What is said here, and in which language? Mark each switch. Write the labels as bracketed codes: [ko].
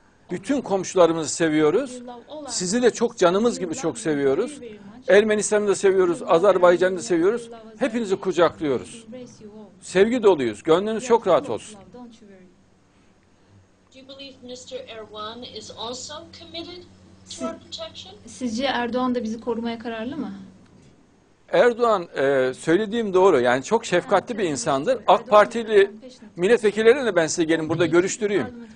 [tr] Bütün komşularımızı seviyoruz. Sizi de çok canımız gibi çok seviyoruz. Ermenistan'ı da seviyoruz, Azerbaycan'ı da seviyoruz. Hepinizi kucaklıyoruz. sevgi doluyuz. Gönlünüz çok rahat olsun. [en] Do you believe Mr. Erdogan is also committed to our protection? [tr] Sizce Erdoğan da bizi korumaya kararlı mı? Erdoğan, söylediğim doğru. Yani çok şefkatli bir insandır. AK Partili milletvekillerine ben size gelin burada görüştüreyim.